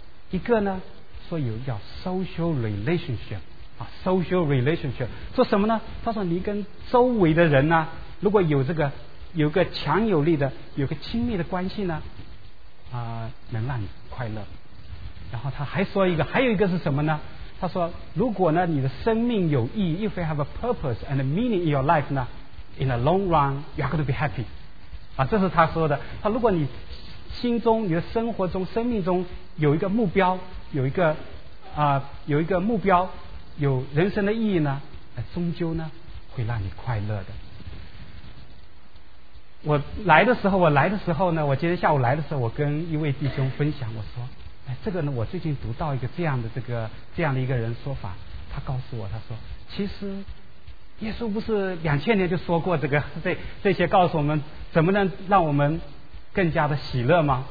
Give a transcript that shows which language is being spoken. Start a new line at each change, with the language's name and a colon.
Chinese: 一个呢，说有叫 social relationship， 啊 ，social relationship， 说什么呢？他说你跟周围的人呢，如果有这个有个强有力的有个亲密的关系呢，能让你快乐。然后他还说一个，还有一个是什么呢？他说如果呢你的生命有意义，
English: if you have a purpose and a meaning in your life 呢， in the long run you are going to be happy。
Chinese: 啊，这是他说的。他如果你心中你的生活中生命中有一个目标，有一个目标，有人生的意义呢，终究呢会让你快乐的。我来的时候呢，我今天下午来的时候，我跟一位弟兄分享，我说这个呢，我最近读到一个这样的一个人说法，他告诉我，他说，其实耶稣不是2000年就说过这些告诉我们怎么能让我们更加的喜乐吗？